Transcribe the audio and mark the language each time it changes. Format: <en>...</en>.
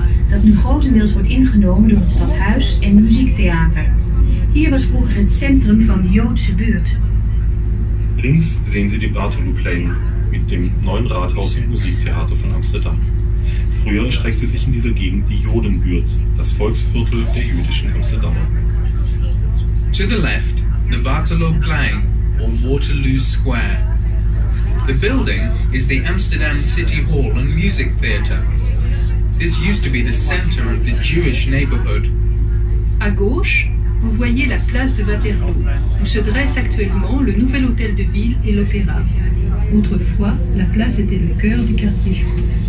<nl>Dat nu grotendeels wordt ingenomen door het stadhuis en muziektheater. Hier was vroeger het centrum van de Joodse buurt.</nl> <de>Links sehen Sie die Bartholuplein mit dem neuen Rathaus und Musiktheater von Amsterdam. Früher erstreckte sich in dieser Gegend die Jodenbuurt, das Volksviertel der jüdischen Amsterdamer.</de> <en>To the left, the Bartholuplein or Waterloo Square. The building is the Amsterdam City Hall and Music Theater. This used to be the center of the Jewish neighborhood.</en> <fr>À gauche, vous voyez la place de Waterloo, où se dresse actuellement le nouvel hôtel de ville et l'opéra. Autrefois, la place était le cœur du quartier juif.</fr>